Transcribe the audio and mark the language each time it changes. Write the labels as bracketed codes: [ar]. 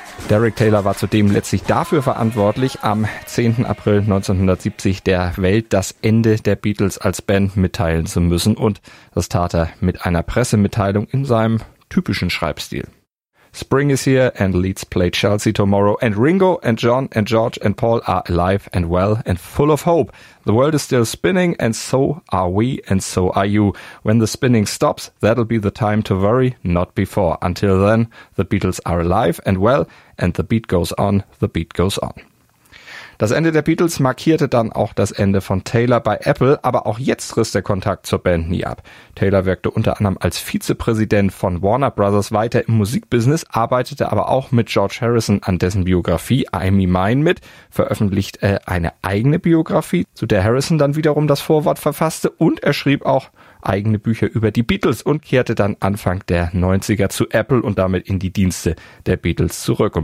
[de] Derek Taylor war zudem letztlich dafür verantwortlich, am 10. April 1970 der Welt das Ende der Beatles als Band mitteilen zu müssen. Und das tat er mit einer Pressemitteilung in seinem typischen Schreibstil. [en] Spring is here and Leeds play Chelsea tomorrow. And Ringo and John and George and Paul are alive and well and full of hope. The world is still spinning and so are we and so are you. When the spinning stops, that'll be the time to worry, not before. Until then, the Beatles are alive and well and the beat goes on, the beat goes on. [de] Das Ende der Beatles markierte dann auch das Ende von Taylor bei Apple, aber auch jetzt riss der Kontakt zur Band nie ab. Taylor wirkte unter anderem als Vizepräsident von Warner Brothers weiter im Musikbusiness, arbeitete aber auch mit George Harrison an dessen Biografie Amy Mine mit, veröffentlicht eine eigene Biografie, zu der Harrison dann wiederum das Vorwort verfasste und er schrieb auch eigene Bücher über die Beatles und kehrte dann Anfang der 90er zu Apple und damit in die Dienste der Beatles zurück.